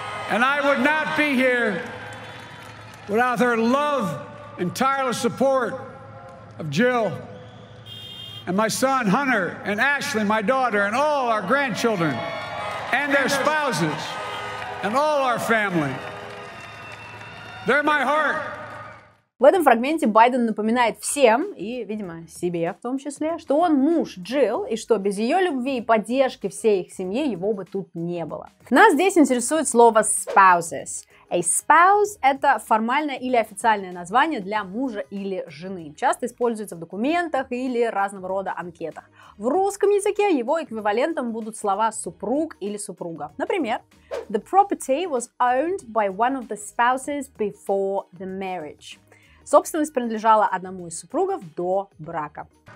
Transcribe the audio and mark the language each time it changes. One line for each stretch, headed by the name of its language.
English: And I would not be here without her love and tireless support of Jill. And my son Hunter, and Ashley, my daughter, and all our grandchildren, and their spouses, and all our family. They're my heart.
Russian: В этом фрагменте Байден напоминает всем, и, видимо, себе в том числе, что он муж Джилл, и что без ее любви и поддержки всей их семьи его бы тут не было. Нас здесь интересует слово spouses. A spouse – это формальное или официальное название для мужа или жены. Часто используется в документах или разного рода анкетах. В русском языке его эквивалентом будут слова супруг или супруга.
English: Например, the property was owned by one of the spouses before the marriage.
Russian: Собственность принадлежала одному из супругов до брака.